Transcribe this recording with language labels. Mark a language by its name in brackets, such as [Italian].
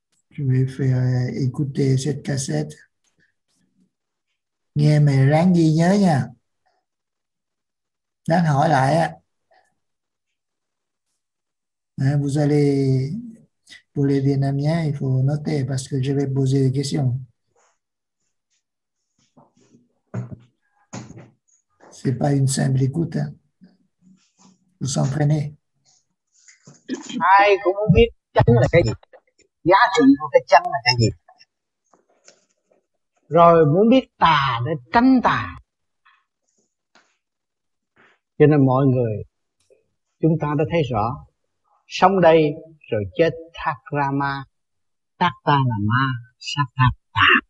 [French] Je vais faire écouter cette cassette. [Vietnamese] Nghe mày ráng ghi nhớ nha. Đang hỏi lại á. [French] Vous allez pour les Vietnamiens, il faut noter parce que je vais poser des questions. C'est pas une simple écoute. Hein. Vous entraînez. [Vietnamese] Ai cũng không biết chân là cái gì, giá trị của cái chân là cái gì. Rồi muốn biết tà để tránh tà. Cho nên mọi người chúng ta đã thấy rõ. Sống đây rồi chết thác ra ma, thác ta là ma, sát thác ta.